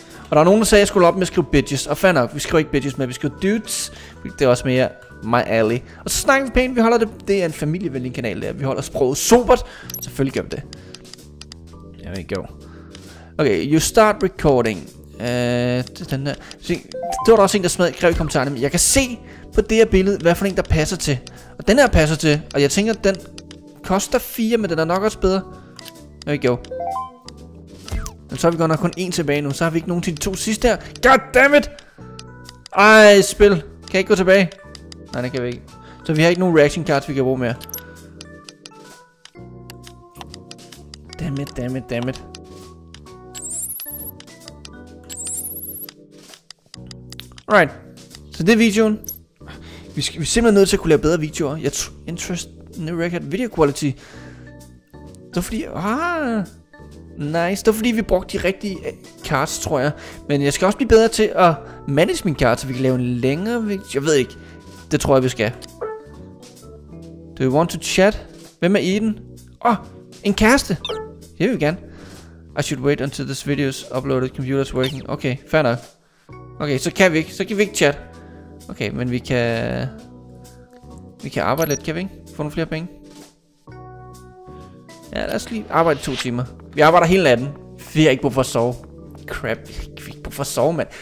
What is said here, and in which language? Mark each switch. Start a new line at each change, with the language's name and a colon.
Danish: Og der er nogen, der sagde, at jeg skulle op med at skrive bitches. Og fair nok, vi skriver ikke bitches, men vi skriver dudes. Det er også mere
English: my alley.
Danish: Og så snakker vi pænt, vi holder det. Det er en familievenlig kanal der. Vi holder sproget supert. Selvfølgelig gør vi det.
English: There we go. Okay, you start recording.
Danish: Den der. Se, det var der også en, der smed, skrev i kommentarerne. Men jeg kan se på det her billede, hvad for en der passer til. Og den her passer til, og jeg tænker, at den koster 4, men den er nok også bedre. Jeg ved ikke, jo. Men så har vi godt nok kun en tilbage nu, så har vi ikke nogen til de to sidste her.
English: God damn it!
Danish: Ej, spil. Kan jeg ikke gå tilbage? Nej, det kan vi ikke. Så vi har ikke nogen reaction cards, vi kan bruge mere.
English: Damn it.
Danish: Alright. Så det er videoen. Vi er simpelthen nødt til at kunne lave bedre videoer. Jeg interest new record video quality. Det var fordi, nice. Det var fordi, vi brugte de rigtige cards, tror jeg. Men jeg skal også blive bedre til at manage min card, så vi kan lave en længere video. Jeg ved ikke. Det tror jeg, vi skal.
English: Do you want to chat?
Danish: Hvem er Eden? En kæreste. Det vil vi gerne.
English: I should wait until this video is uploaded. Computer's working. Okay,
Danish: fair nok. Okay, så kan vi ikke. Så kan vi ikke chat. Okay, men vi kan arbejde lidt, kan vi ikke? Få nogle flere penge. Ja, lad os lige arbejde 2 timer. Vi arbejder hele natten. Vi har ikke brug for at sove. Crap, vi har ikke brug for at sove, mand.